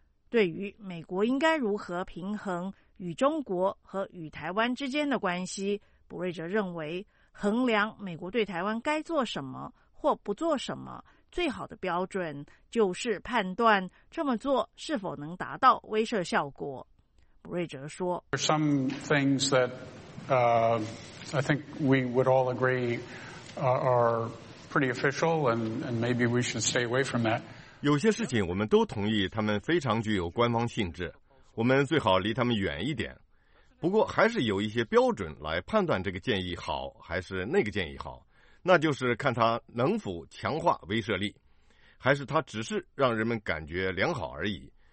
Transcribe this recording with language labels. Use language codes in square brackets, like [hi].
[zh] 对于美国应该如何平衡与中国和与台湾之间的关系，卜瑞哲认为，衡量美国对台湾该做什么或不做什么，最好的标准就是判断这么做是否能达到威慑效果。卜瑞哲说， [en] There are some things that, I think we would all agree, are pretty official, and maybe we should stay away from that. [zh] 有些事情我们都同意，他们非常具有官方性质，我们最好离他们远一点。不过还是有一些标准来判断这个建议好还是那个建议好。那就是看他能否强化威慑力，还是他只是让人们感觉良好而已。